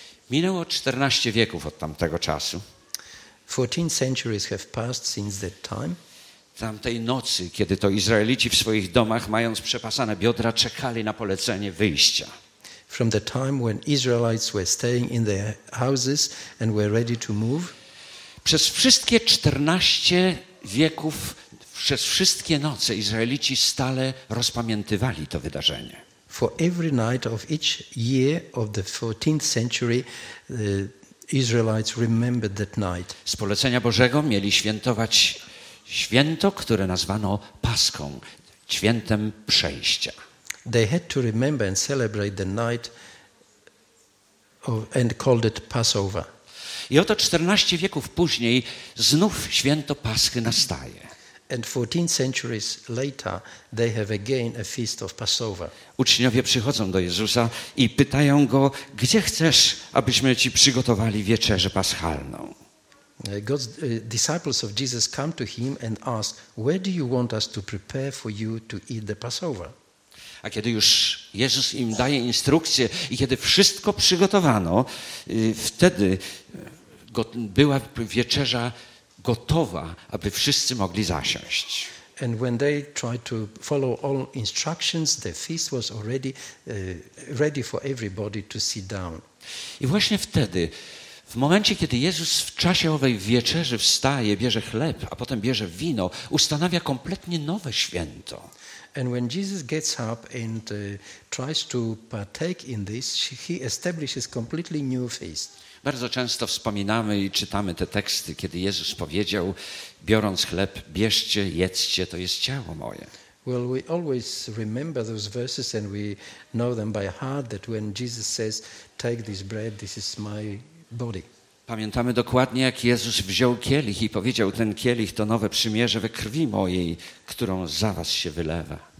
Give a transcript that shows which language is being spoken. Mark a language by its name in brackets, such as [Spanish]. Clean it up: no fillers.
[Polish] Minęło 14 wieków od tamtego czasu. [English] 14 centuries have passed since that time. [Polish] Tamtej nocy, kiedy to Izraelici w swoich domach, mając przepasane biodra, czekali na polecenie wyjścia. [English] From the time when Israelites were staying in their houses and were ready to move. [Polish] Przez wszystkie 14 wieków, przez wszystkie noce Izraelici stale rozpamiętywali to wydarzenie. [English] For every night of each year of the 14th century, the Israelites remembered that night. [Polish] Z polecenia Bożego mieli świętować święto, które nazwano Paską, świętem przejścia. [English] They had to remember and celebrate the night of, and called it Passover. [Polish] I oto 14 wieków później znów święto Paschy nastaje. [English] And 14 centuries later they have again a feast of Passover. [Polish] Uczniowie przychodzą do Jezusa i pytają go, gdzie chcesz, abyśmy ci przygotowali wieczerzę paschalną. [English] God's disciples of Jesus come to him and ask, where do you want us to prepare for you to eat the Passover? [Polish] A kiedy już Jezus im daje instrukcję i kiedy wszystko przygotowano, wtedy była wieczerza gotowa, aby wszyscy mogli zasiąść. [English] And when they tried to follow all instructions, the feast was already ready for everybody to sit down. [Polish] I właśnie wtedy, w momencie, kiedy Jezus w czasie owej wieczerzy wstaje, bierze chleb, a potem bierze wino, ustanawia kompletnie nowe święto. [English] And when Jesus gets up and tries to partake in this, he establishes completely new feast. [Polish] Bardzo często wspominamy i czytamy te teksty, kiedy Jezus powiedział, biorąc chleb, bierzcie, jedzcie, to jest ciało moje. [English] Well, we always remember those verses and we know them by heart, that when Jesus says, take this bread, this is my body. [Polish] Pamiętamy dokładnie, jak Jezus wziął kielich i powiedział, ten kielich to nowe przymierze we krwi mojej, którą za was się wylewa.